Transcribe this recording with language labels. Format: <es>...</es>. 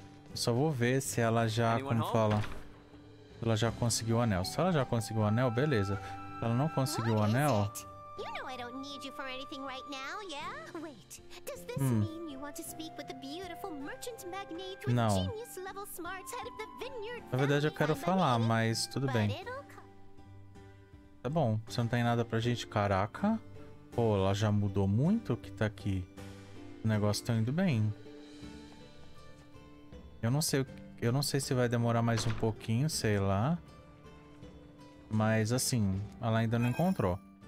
<pt>Eu só vou ver se ela já, como fala, se ela já conseguiu o anel. Se ela já conseguiu o anel, beleza. Se ela não conseguiu o anel.</pt> <en>You know I don't need you for anything right now, yeah? Wait. Does this mean you want to speak with the beautiful merchant magnate with</en> <pt>não.</pt> <en>genius level smarts head of the vineyard?</en> <pt>Na verdade eu quero falar, mas tudo bem. Tá bom, você não tem nada pra gente. Caraca. Pô, ela já mudou muito o que tá aqui. O negócio tá indo bem. Eu não sei se vai demorar mais um pouquinho, sei lá. Mas assim, ela ainda não encontrou.</pt>